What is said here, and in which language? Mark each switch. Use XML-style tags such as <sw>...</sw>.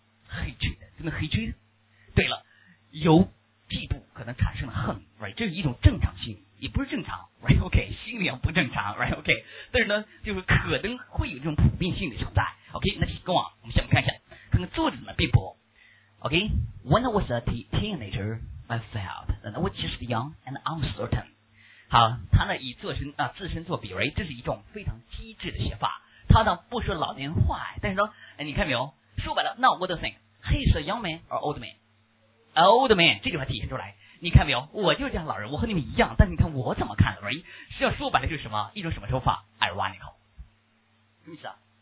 <zh>hatred， 真的 hatred？ 对了，由嫉妒可能产生了恨 ，right？这是一种正常心理。也不是正常 ，right? OK， 心理上不正常 ，right? OK， 但是呢，就是可能会有这种普遍性的存在。 OK， 那请跟我，我们下面看一下，看看作者的辩驳。</zh> <en>OK， When I was a teenager, I felt that I was just young and uncertain。</en> <zh>好，他呢以自身做比 ，right？ 这是一种非常机智的写法。他呢不说老年话，但是呢，哎，你看没有？说白了，那</zh> <en>What do you think? He's a young man or old man? Old man，</en> <zh>这句话体现出来。你看没有，我就是这样老人，我和你们一样，但是你看我怎么看 ，right？实际上说白了就是什么一种什么手法 ，ironic， 什么意思啊？</zh>